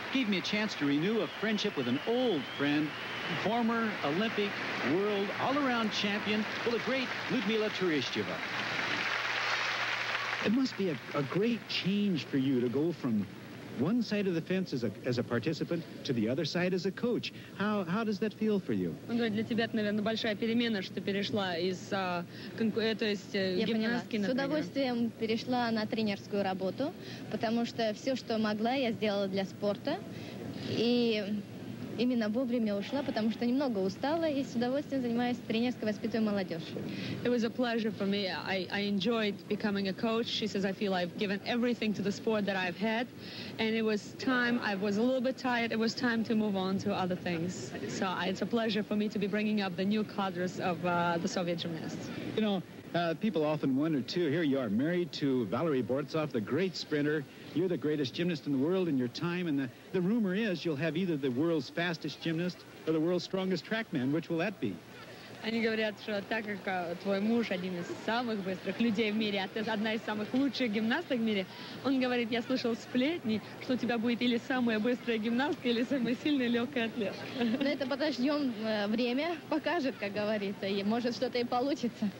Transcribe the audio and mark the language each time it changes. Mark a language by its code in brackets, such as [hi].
[en] Gave me a chance to renew a friendship with an old friend, former Olympic, world, all-around champion, well, the great Ludmila Turischeva. It must be a great change for you to go from one side of the fence as a participant to the other side as a coach. How does that feel for you? [ru] Он говорит, для тебя это, наверное, большая перемена, что перешла из гимнастки. С удовольствием перешла на тренерскую работу, потому что все, что могла, я сделала для спорта. И именно вовремя ушла, потому что немного устала и с удовольствием занимаюсь тренерской, воспитываю молодежь. [en] It was a pleasure for me. I enjoyed becoming a coach. She says, I feel I've given everything to the sport that I've had. And it was time, I was a little bit tired, it was time to move on to other things. So it's a pleasure for me to be bringing up the new cadres of the Soviet gymnasts. You know, people often wonder too, here you are married to Valery Bortsov, the great sprinter. You're the greatest gymnast in the world in your time, and the rumor is you'll have either the world's fastest gymnast or the world's strongest trackman. Which will that be? [ru] Они говорят, что так как твой муж один из самых быстрых людей в мире, а ты одна из самых лучших гимнасток в мире, он говорит, я слышал сплетни, что у тебя будет или самая быстрая гимнастка, или самая сильная легкая атлетка. Но это подождем, время покажет, как говорится, и может что-то и получится.